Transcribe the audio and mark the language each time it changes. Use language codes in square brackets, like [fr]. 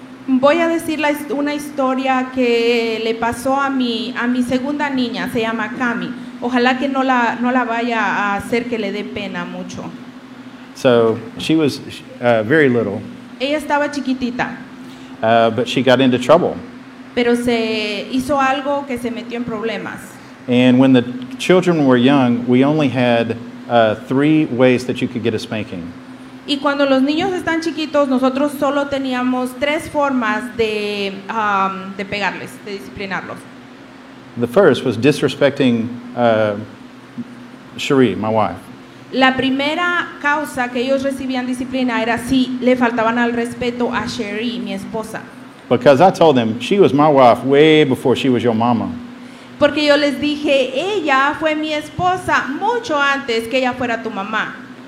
[es] Voy a decir una historia que le pasó a mi segunda niña, se llama Cami. Ojalá que no la vaya a hacer que le dé pena mucho. [en] So, she was very little. [es] Ella estaba chiquitita. [en] But she got into trouble. [es] Pero se hizo algo que se metió en problemas. [en] And when the children were young, we only had three ways that you could get a spanking. [es] Y cuando los niños están chiquitos, nosotros solo teníamos tres formas de pegarles, de disciplinarlos. [en] The first was disrespecting Cherie, my wife. [es] La primera causa que ellos recibían disciplina era si le faltaban al respeto a Cherie, mi esposa. [en] Because I told them she was my wife way before she was your mama. [es] Porque yo les dije, ella fue mi esposa mucho antes que ella fuera tu mamá.